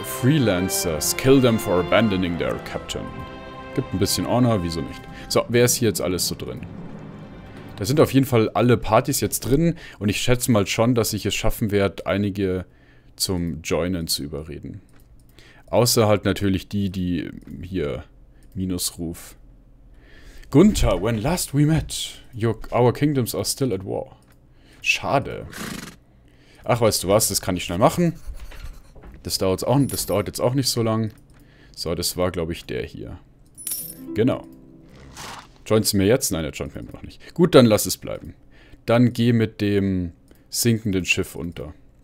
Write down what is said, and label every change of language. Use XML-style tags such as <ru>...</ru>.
<en>Freelancers, kill them for abandoning their captain.</en> <de>Gibt ein bisschen Honor, wieso nicht? So, wer ist hier jetzt alles so drin? Da sind auf jeden Fall alle Partys jetzt drin und ich schätze mal schon, dass ich es schaffen werde, einige zum Joinen zu überreden. Außer halt natürlich die hier Minusruf.</de> <en>Gunther, when last we met, our kingdoms are still at war.</en> <de>Schade. Ach, weißt du was, das kann ich schnell machen. Das dauert jetzt auch nicht so lang. So, das war, glaube ich, der hier. Genau. Joint sie mir jetzt? Nein, der joint mir immer noch nicht. Gut, dann lass es bleiben. Dann geh mit dem sinkenden Schiff unter.</de>